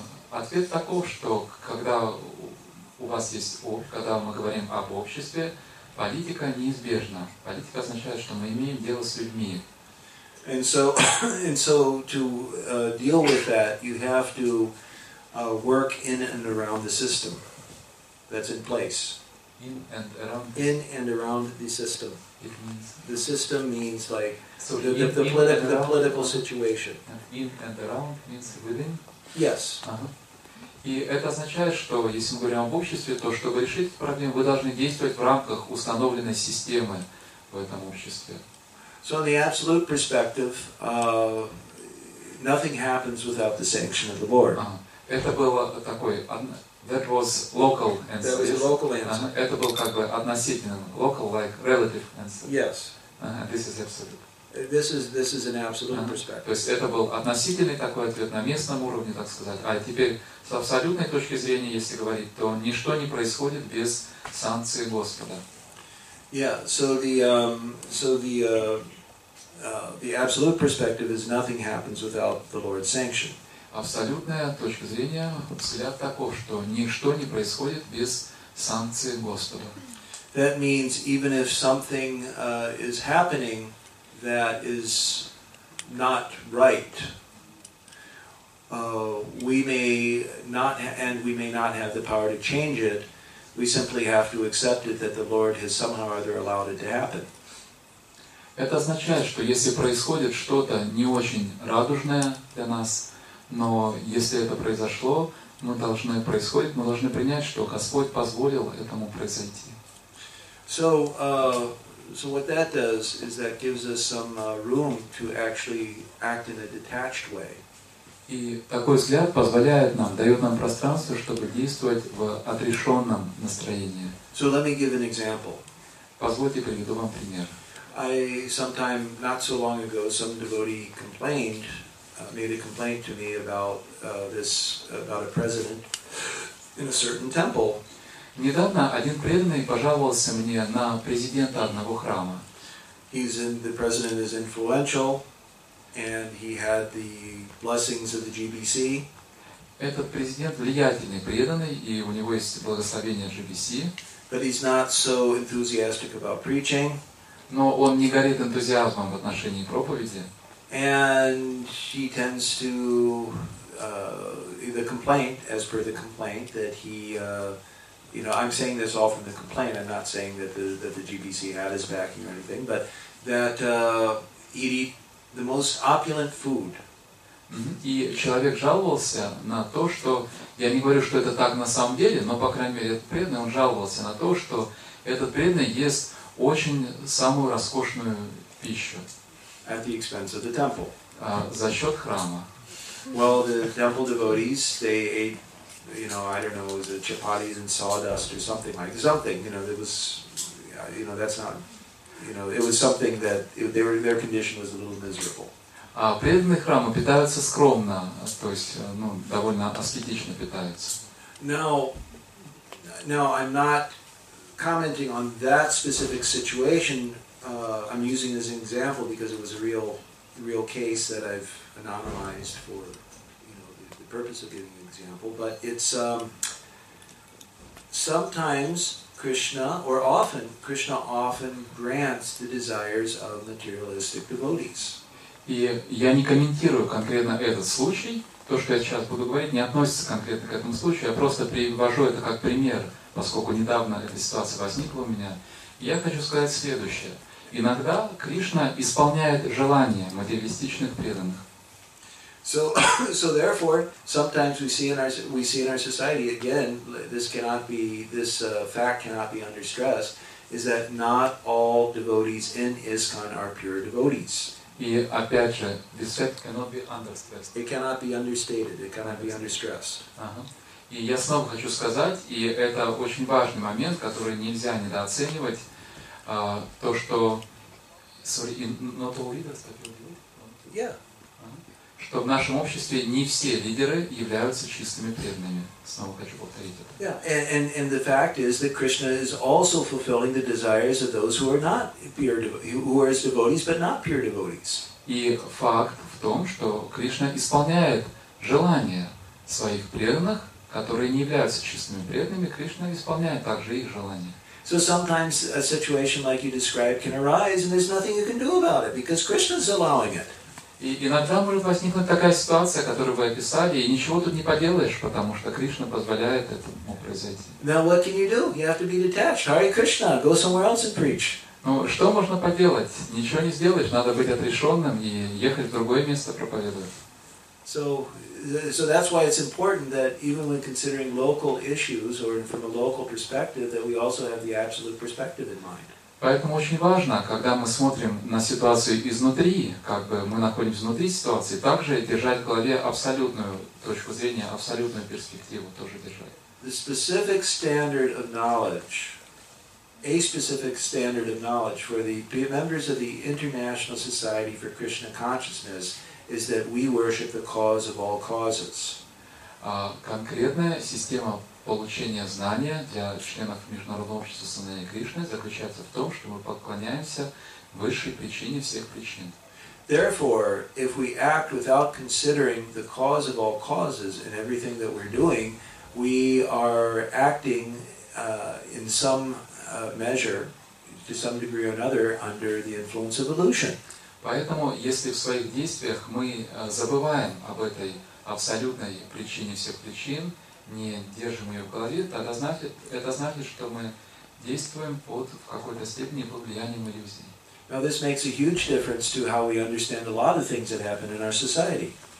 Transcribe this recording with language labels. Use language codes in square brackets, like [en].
[ru] Ответ таков, что когда у вас есть, когда мы говорим об обществе, политика неизбежна. Политика означает, что мы имеем дело с людьми. [en] And so to deal with that, you have to work in and around the system. that's in place. In and around. In and around the system. It means. The system means like so the political situation. And in and around means within. Yes. [ru] И это означает, что если мы говорим об обществе, то чтобы решить проблему, вы должны действовать в рамках установленной системы в этом обществе. [en] So in the absolute perspective, nothing happens without the sanction of the board. [ru] Это было такой, [en] that was local answer. That was a local answer. [ru] Это был как бы относительно, [en] local like relative answer. Yes. This is absolute. This is an absolute perspective. [ru] То есть это был относительный такой ответ на местном уровне, так сказать. А теперь с абсолютной точки зрения, если говорить, то ничто не происходит без санкции Господа. [en] Yeah. So the absolute perspective is nothing happens without the Lord's sanction. [ru] Абсолютная точка зрения, взгляд таков, что ничто не происходит без санкции Господа. [en] That means even if something is happening that is not right, we may not have the power to change it. We simply have to accept it that the Lord has somehow or other allowed it to happen. [ru] Это означает, что если происходит что-то не очень радужное для нас, но если это произошло, мы должны принять, что Господь позволил этому произойти. [en] So what that does is that gives us some room to actually act in a detached way. [ru] И такой взгляд позволяет нам, дает нам пространство, чтобы действовать в отрешенном настроении. [en] So let me give an example. [ru] Позвольте, приведу вам пример. [en] I sometime not so long ago some devotee complained, made a complaint to me about this about a president in a certain temple. [ru] Недавно один преданный пожаловался мне на президента одного храма. [en] The president is influential, and he had the blessings of the GBC. [ru] Этот президент влиятельный, преданный, и у него есть благословение GBC. [en] But he's not so enthusiastic about preaching. [ru] Но он не горит энтузиазмом в отношении проповеди. [en] And he tends to the complaint, as per the complaint, that he you know, I'm saying this all from the complaint. I'm not saying that the GBC had his backing or anything, but that he'd eat the most opulent food. [ru] И человек жаловался на то, что я не говорю, что это так на самом деле, но по крайней мере этот преданный он жаловался на то, что этот преданный ест очень самую роскошную пищу. [en] At the expense of the temple. [ru] За счет храма. [en] Well, the temple devotees they ate. You know, I don't know, it was a chapatis and sawdust or something. You know, it was, you know, that's not, you know, it was something that their condition was a little miserable. [ru] А преданные храмы питаются скромно, то есть, ну, довольно аскетично питаются. [en] Now, I'm not commenting on that specific situation. I'm using as an example because it was a real case that I've anonymized for, you know, the purpose of giving. Example, but it's sometimes Krishna, or often Krishna, often grants the desires of materialistic devotees. [ru] И я не комментирую конкретно этот случай. То, что я сейчас буду говорить, не относится конкретно к этому случаю. Я просто привожу это как пример, поскольку недавно эта ситуация возникла у меня. Я хочу сказать следующее: иногда Кришна исполняет желания материалистичных преданных. [en] So therefore, sometimes we see in our society, again, fact cannot be under stress, is that not all devotees in ISKCON are pure devotees. [ru] И опять же, [en] this fact cannot be under stress. It cannot be understated, it cannot be under stress. [ru] И я снова хочу сказать, и это очень важный момент, который нельзя недооценивать, то, что... [en] Sorry, not all leaders are pure devotees? Yeah. [ru] Что в нашем обществе не все лидеры являются чистыми преданными. Снова хочу повторить это. [en] Yeah, and the fact is that Krishna is also fulfilling the desires of those who are not pure who are his devotees, but not pure devotees. [ru] И факт в том, что Кришна исполняет желания своих преданных, которые не являются чистыми преданными. Кришна исполняет также их желания. [en] So sometimes a situation like you described can arise, and there's nothing you can do about it because Krishna is allowing it. [ru] И иногда может возникнуть такая ситуация, которую вы описали, и ничего тут не поделаешь, потому что Кришна позволяет этому произойти. [en] Now what can you do? You have to be detached. Hare Krishna, go somewhere else and preach. [ru] Ну, что можно поделать? Ничего не сделаешь, надо быть отрешенным и ехать в другое место проповедовать. [en] So that's why it's important that even when considering local issues or from a local perspective, that we also have the absolute perspective in mind. [ru] Поэтому очень важно, когда мы смотрим на ситуацию изнутри, как бы мы находимся внутри ситуации, также держать в голове абсолютную точку зрения, абсолютную перспективу тоже держать. [en] The specific standard of knowledge, a specific standard of knowledge for the members of the International Society for Krishna Consciousness is that we worship the cause of all causes. [ru] Конкретная система получение знания для членов Международного общества сознания Кришны заключается в том, что мы поклоняемся высшей причине всех причин. [en] Therefore, if we act without considering the cause of all causes in everything that we're doing, we are acting in some measure, to some degree or another, under the influence of illusion. [ru] Поэтому, если в своих действиях мы забываем об этой абсолютной причине всех причин, не держим ее в голове, тогда это значит, что мы действуем под в какой-то степени под влиянием иллюзий. [en] Now this makes a huge difference to how we understand a lot of things that happen in our society.